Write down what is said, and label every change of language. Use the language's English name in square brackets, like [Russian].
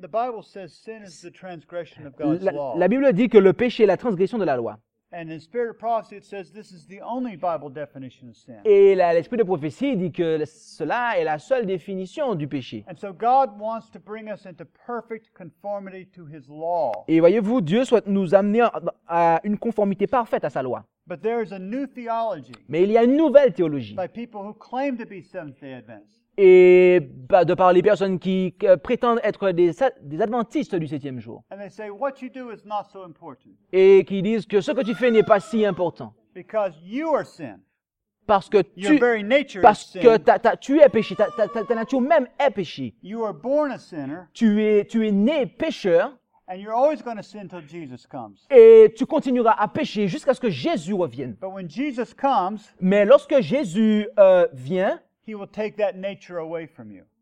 [English] The Bible says sin is the transgression of God's law. [French] La Bible dit que le péché est la transgression de la loi. [English] And in Spirit of Prophecy, it says this is the only Bible definition of sin. [French] Et l'Esprit de prophétie dit que cela est la seule définition du péché. [English] And so God wants to bring us into perfect conformity to His law. [French] Et voyez-vous, Dieu souhaite nous amener à une conformité parfaite à sa loi. [English] But there is a new theology. [French] Mais il y a une nouvelle théologie. [English] By people who claim to be Seventh-day Adventists. [French] Et bah, de par les personnes qui prétendent être des adventistes du septième jour. [English] And they say, "What you do is not so important." [French] Et qui disent que ce que tu fais n'est pas si important. [English] Because you are sin. [French] Parce que [English] your very nature is sin. [French] Que tu es péché, ta nature même est péché. [English] You are born a sinner. [French] Tu es né pécheur. [English] And you're always going to sin till Jesus comes. [French] Et tu continueras à pécher jusqu'à ce que Jésus revienne. [English] But when Jesus comes, [French] mais lorsque Jésus vient, [English] he will take that nature away from you.